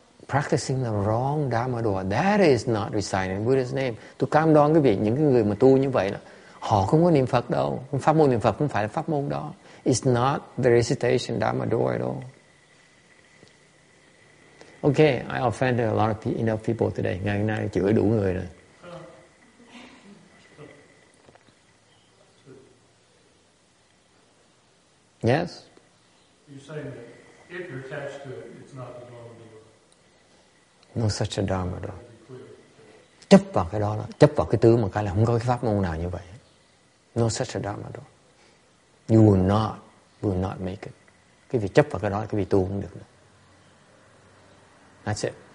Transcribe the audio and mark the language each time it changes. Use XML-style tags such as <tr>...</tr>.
<en>Practicing the wrong Dharma door, that is not reciting Buddha's name.</en> <vi>Tôi cam đoan quý vị, những cái người mà tu như vậy là họ không có niệm Phật đâu. Pháp môn niệm Phật không phải là pháp môn đó.</vi> <en>It's not the recitation Dharma door at all. Okay, I offended a lot of enough people today.</en> <vi>Ngày hôm nay chửi đủ người rồi.</vi> <en>Yes? You're saying that if you're attached to it, it's not the wrong. No such a Dharma door.</en> <vi>Chấp vào cái đó, chấp vào cái tứ mà cái là không có cái pháp môn nào như vậy.</vi> <en>No such a Dharma door. You will not make it.</en> <vi>Cái vị chấp vào cái đó, cái vị tu không được nữa.</vi> <en>That's it.</en>